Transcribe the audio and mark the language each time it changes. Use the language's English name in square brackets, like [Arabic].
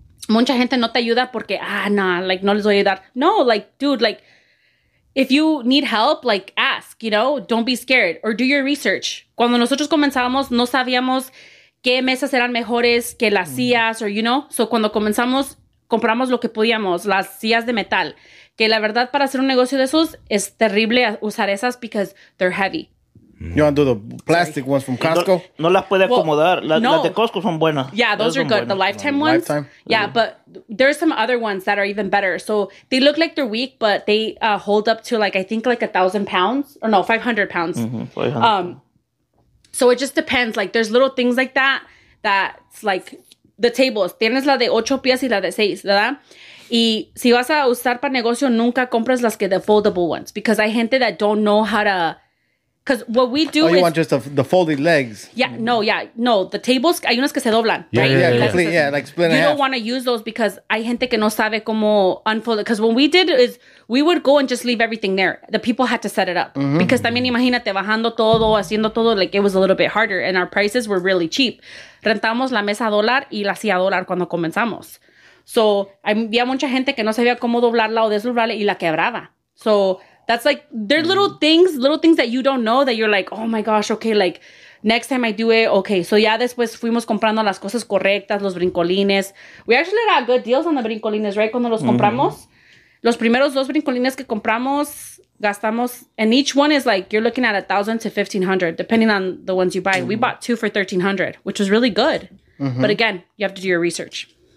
[Spanish] Mucha gente no te ayuda porque, nah, like, no les voy a ayudar. [English] No, like, dude, like, if you need help, like, ask, you know, don't be scared or do your research. [Spanish] Cuando nosotros comenzábamos, no sabíamos qué mesas eran mejores que las sillas [English] or, you know. [Spanish] So, cuando comenzamos, compramos lo que podíamos, las sillas de metal. Que la verdad, para hacer un negocio de esos, es terrible usar esas [English] because they're heavy. You want to do the plastic ones from Costco? [Spanish] No las puede acomodar. Las de Costco son buenas. [English] Yeah, those are good. The Lifetime ones? Lifetime. Yeah, but there's some other ones that are even better. So they look like they're weak, but they hold up to like, I think like 1,000 pounds. Or no, 500 pounds. Mm-hmm, 500. So it just depends. Like there's little things like that. That's like the tables. [Spanish] Tienes la de 8 pies y la de 6, ¿verdad? Y si vas a usar para negocio, nunca compras las que [English] the foldable ones. Because [Spanish] hay gente [English] that don't know how to... Because what we do is... Oh, you want just the folded legs. Yeah, no, yeah. No, the tables, [Spanish] hay unas que se doblan, [English] right? Yeah, like split in half. You don't want to use those because [Spanish] hay gente que no sabe cómo [English] unfold it. Because what we did is we would go and just leave everything there. The people had to set it up. Mm-hmm. Because [Spanish] también imagínate bajando todo, haciendo todo, [English] like it was a little bit harder. And our prices were really cheap. [Spanish] Rentamos la mesa a dólar y la silla a dólar cuando comenzamos. So, había mucha gente que no sabía cómo doblarla o desdoblarla y la quebraba. [English] So... That's like, there are little things that you don't know that you're like, oh my gosh, okay, like, next time I do it, okay. [Spanish] So ya después fuimos comprando las cosas correctas, los brincolines. [English] We actually got good deals on the brincolines, right? [Spanish] Cuando los compramos, los primeros dos brincolines que compramos, gastamos, [English] and each one is like, you're looking at $1,000 to $1,500, depending on the ones you buy. Mm-hmm. We bought two for $1,300, which was really good. Mm-hmm. But again, you have to do your research.